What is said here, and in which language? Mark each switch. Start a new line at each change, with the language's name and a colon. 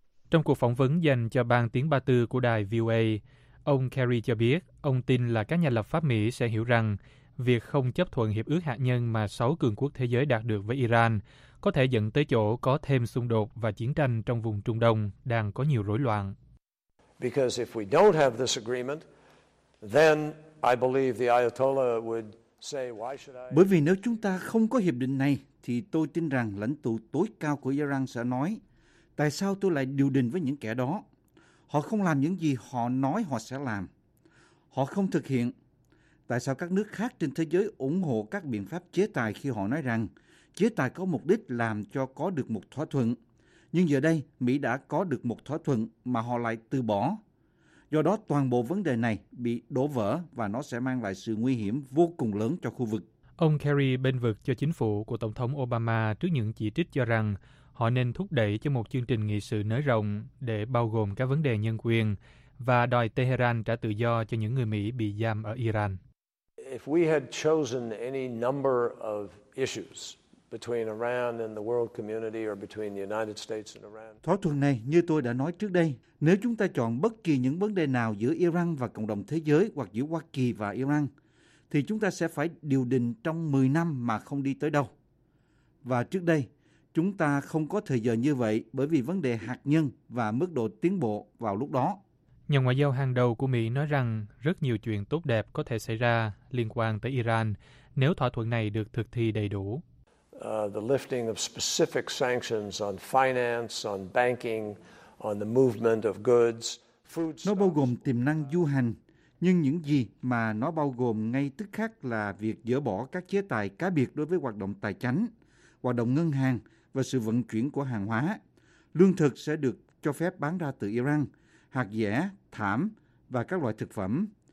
Vietnamese: Trong cuộc phỏng vấn dành cho Ban Tiếng Ba Tư của đài VOA, ông Kerry cho biết ông tin là các nhà lập pháp Mỹ sẽ hiểu rằng việc không chấp thuận hiệp ước hạt nhân mà 6 cường quốc thế giới đạt được với Iran có thể dẫn tới chỗ có thêm xung đột và chiến tranh trong vùng Trung Đông đang có nhiều rối loạn.
English: Because if we don't have this agreement, then I believe the Ayatollah would say, why should I?
Vietnamese: Bởi vì nếu chúng ta không có hiệp định này, thì tôi tin rằng lãnh tụ tối cao của Iran sẽ nói, tại sao tôi lại điều đình với những kẻ đó? Họ không làm những gì họ nói họ sẽ làm. Họ không thực hiện. Tại sao các nước khác trên thế giới ủng hộ các biện pháp chế tài khi họ nói rằng chế tài có mục đích làm cho có được một thỏa thuận? Nhưng giờ đây, Mỹ đã có được một thỏa thuận mà họ lại từ bỏ. Do đó, toàn bộ vấn đề này bị đổ vỡ và nó sẽ mang lại sự nguy hiểm vô cùng lớn cho khu vực. Ông Kerry bênh vực cho chính phủ của Tổng thống Obama trước những chỉ trích cho rằng họ nên thúc đẩy cho một chương trình nghị sự nới rộng để bao gồm các vấn đề nhân quyền và đòi Tehran trả tự do cho những người Mỹ bị giam ở Iran.
English: If we had chosen any number of issues between Iran and the world community or between the United States and Iran.
Vietnamese: Thỏa thuận này, như tôi đã nói trước đây, nếu chúng ta chọn bất kỳ những vấn đề nào giữa Iran và cộng đồng thế giới hoặc giữa Hoa Kỳ và Iran, thì chúng ta sẽ phải điều đình trong 10 năm mà không đi tới đâu. Và trước đây, chúng ta không có thời giờ như vậy bởi vì vấn đề hạt nhân và mức độ tiến bộ vào lúc đó. Nhà ngoại giao hàng đầu của Mỹ nói rằng rất nhiều chuyện tốt đẹp có thể xảy ra liên quan tới Iran nếu thỏa thuận này được thực thi đầy đủ.
English: The lifting of specific sanctions on finance, on banking, on the movement of goods, food.
Vietnamese: Nó bao gồm tiềm năng du hành, nhưng những gì mà nó bao gồm ngay tức khắc là việc dỡ bỏ các chế tài cá biệt đối với hoạt động tài chánh, hoạt động ngân hàng và sự vận chuyển của hàng hóa. Lương thực sẽ được cho phép bán ra từ Iran, hạt dẻ, thảm và các loại thực phẩm.